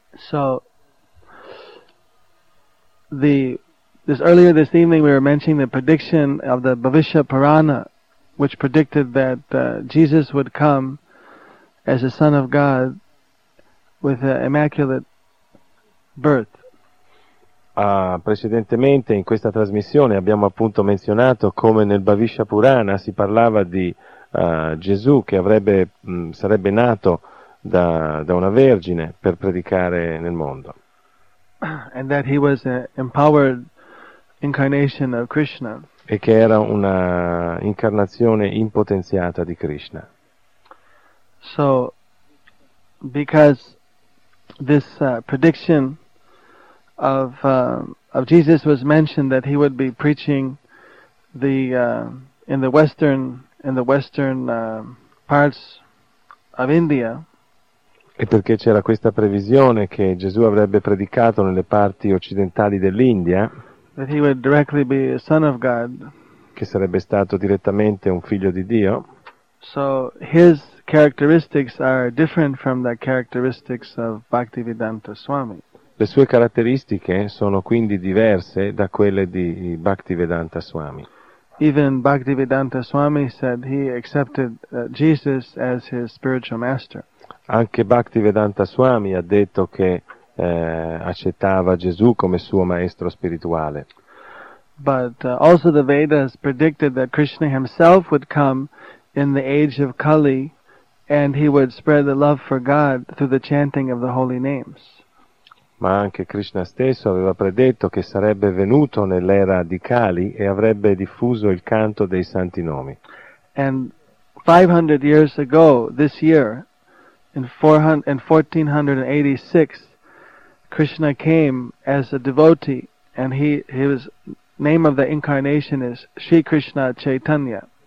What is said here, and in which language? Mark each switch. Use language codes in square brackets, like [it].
[en] So, earlier this evening we were mentioning the prediction of the Bhavishya Purana, which predicted that Jesus would come as the Son of God with an immaculate birth. [it] Precedentemente in questa trasmissione abbiamo appunto menzionato come nel Bhavishya Purana si parlava di Gesù che sarebbe nato da una vergine per predicare nel mondo. [en] And that he was an empowered incarnation of Krishna. [it] E che era una incarnazione impotenziata di Krishna. [en] So, because this prediction of Jesus was mentioned that he would be preaching in the western parts of India. [it] E perché c'era questa previsione che Gesù avrebbe predicato nelle parti occidentali dell'India? [en] That he would directly be a son of God. [it] Che sarebbe stato direttamente un figlio di Dio. [en] So his characteristics are different from the characteristics of Bhaktivedanta Swami. [it] Le sue caratteristiche sono quindi diverse da quelle di Bhaktivedanta Swami. [en] Even Bhaktivedanta Swami said he accepted Jesus as his spiritual master. [it] Anche Bhaktivedanta Swami ha detto che accettava Gesù come suo maestro spirituale. [en] But also the Vedas predicted that Krishna himself would come in the age of Kali and he would spread the love for God through the chanting of the holy names. [it] ma anche Krishna stesso aveva predetto che sarebbe venuto nell'era di Kali e avrebbe diffuso il canto dei santi nomi. [en] And 500 years ago, this year, in 1486, Krishna came as a devotee, and his name of the incarnation is Sri Krishna Chaitanya.